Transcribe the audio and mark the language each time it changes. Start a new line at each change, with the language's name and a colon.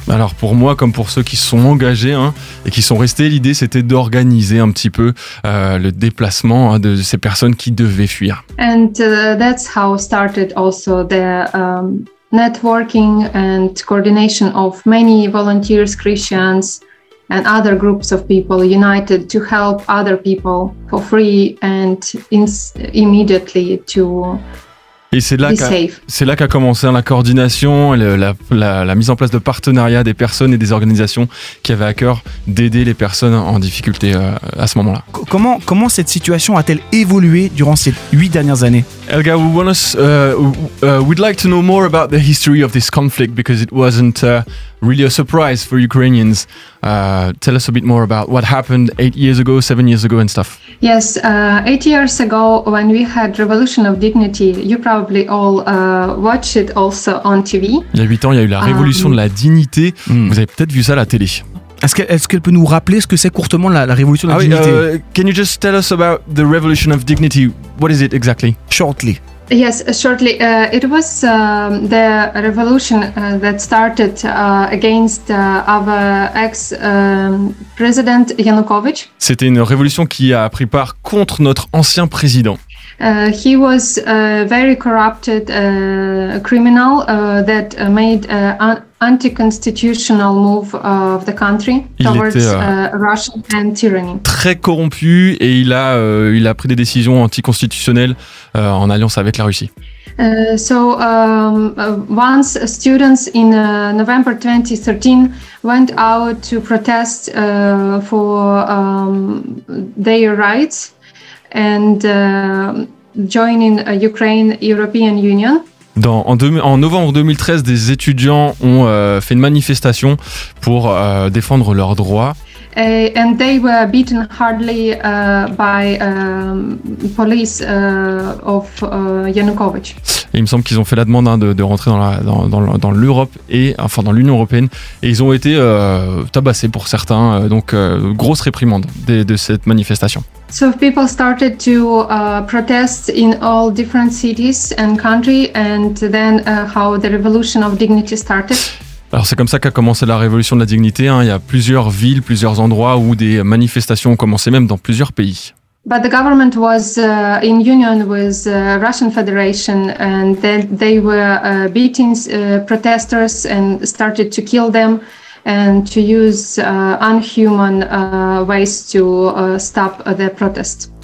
French: Alors pour moi comme pour ceux qui sont engagés hein, et qui sont restés, l'idée c'était d'organiser un petit peu le déplacement hein, de ces personnes qui devaient fuir.
English: And that's how started also the networking and coordination of many volunteers, Christians, and other groups of people united to help other people for free and immediately to
French: et c'est là
English: be safe.
French: C'est là qu'a commencé la coordination, la mise en place de partenariats des personnes et des organisations qui avaient à cœur d'aider les personnes en difficulté à ce moment-là. Comment cette situation a-t-elle évolué durant ces 8 dernières années?
English: Elga, we'd like to know more about the history of this conflict because it wasn't really a surprise for Ukrainians. Tell us a bit more about what happened 8 years ago, 7 years ago and stuff. Yes, 8 years ago when we had Revolution of Dignity, you probably all watched it also on TV.
French: Il y a 8 ans, il y a eu la Révolution de la Dignité. Vous avez peut-être vu ça à la télé. Est-ce qu'elle peut nous rappeler ce que c'est courtement la Révolution de la Dignité?
English: Can you just tell us about the Revolution of Dignity? What is it exactly? Shortly. Yes, shortly. It was the revolution that started against our ex-president Yanukovych.
French: C'était une révolution qui a pris part contre notre ancien président.
English: He was a very corrupted criminal that made an anti-constitutional move of the country Russian and tyranny.
French: Très corrompu et il a pris des décisions anti-constitutionnelles en alliance avec la Russie.
English: Once students in November 2013 went out to protest for their rights and joining Ukraine European Union.
French: En novembre 2013, des étudiants ont fait une manifestation pour défendre leurs droits.
English: And they were beaten hardly by police of Yanukovych.
French: Et il me semble qu'ils ont fait la demande hein, de rentrer dans l'Europe et enfin dans l'Union européenne et ils ont été tabassés pour certains donc grosse réprimande de cette manifestation.
English: So people started to protest in all different cities and country and then how the Revolution of Dignity started.
French: Alors c'est comme ça qu'a commencé la Révolution de la Dignité. Hein. Il y a plusieurs villes, plusieurs endroits où des manifestations ont commencé, même dans plusieurs pays.
English: But the government was in union with Russian Federation, and they were beating protesters and started to kill them and to use unhuman ways to stop their protests.